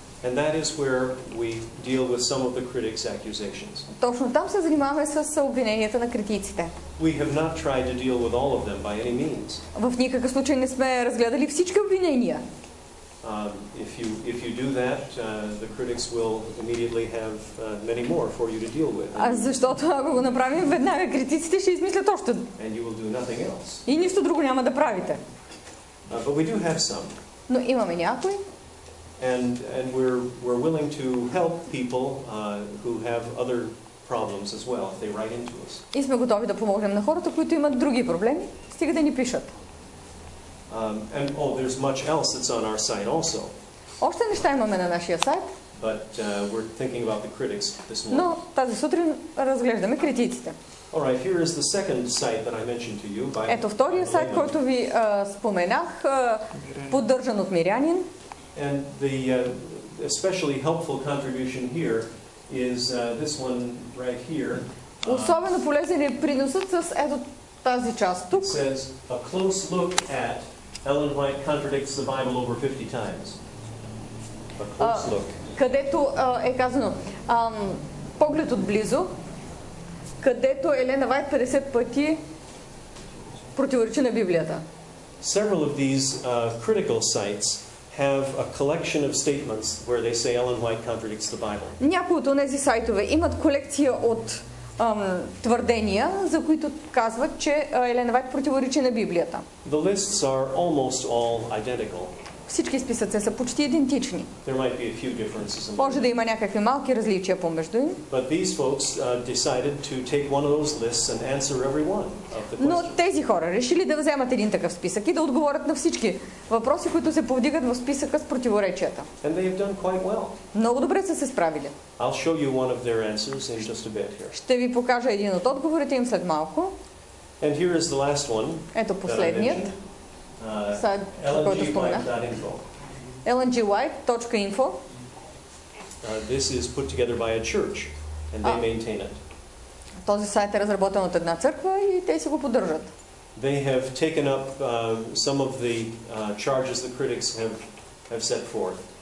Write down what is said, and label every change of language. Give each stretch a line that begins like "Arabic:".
English: And that is where we deal with some of the critics' accusations.
Bulgarian: Точно там се занимаваме с обвиненията на критиците.
English: We have not tried to deal with all of them by any means.
Bulgarian: В никакъв случай не сме разгледали всички обвинения.
English: If you do that, the critics will immediately have many more for you to deal with.
Bulgarian: А защото ако го направим веднага, критиците ще измислят още.
English: And you will do nothing else.
Bulgarian: И нищо друго няма да правите.
English: But we do have some.
Bulgarian: Но имаме някои.
English: And we're willing to help people who have other problems as well if they write into us.
Bulgarian: И сме готови да помогнем на хората, които имат други проблеми, стига да ни пишат.
English: There's much else that's on our site also.
Bulgarian: Още неща имаме на нашия сайт.
English: But we're thinking about the critics this morning.
Bulgarian: Но тази сутрин разглеждаме критиците.
English: All right, here is the second site that I mentioned to you by.
Bulgarian: Ето вторият сайт, който ви споменах, поддържан от Мирянин.
English: And the especially helpful contribution here is this one right here.
Bulgarian: Особено полезен е приносът с ето тази част тук.
English: It says a close look at Ellen White contradicts the Bible over 50 times. A close look.
Bulgarian: Където е казано, поглед отблизо, където Елена Вайт 50 пъти противоречи на Библията.
English: Several of these critical sites have a collection of statements where they say Ellen White contradicts the Bible.
Bulgarian: Някои от тези сайтове имат колекция от твърдения, за които казват, че Елена Вайт противоречи на Библията.
English: The lists are almost all identical.
Bulgarian: Всички списъци са почти идентични.
English: There might be a few differences.
Bulgarian: Може да има някакви малки различия помежду им.
English: But these folks decided to take one of those lists and answer every one of the questions.
Bulgarian: Но тези хора решили да вземат един такъв списък и да отговорят на всички въпроси, които се повдигат в списъка с противоречията.
English: And they have done quite well.
Bulgarian: Много добре са се справили.
English: I'll show you one of their answers in just a bit here.
Bulgarian: Ще ви покажа един от отговорите им след малко.
English: And here is the last one.
Bulgarian: Ето последният. Сайт, който спомена.
English: LNGWhite.info. This is put together by a church and they maintain it.
Bulgarian: Този сайт е разработен от една църква и те си го поддържат.
English: They have taken up some of the charges the critics have set forth.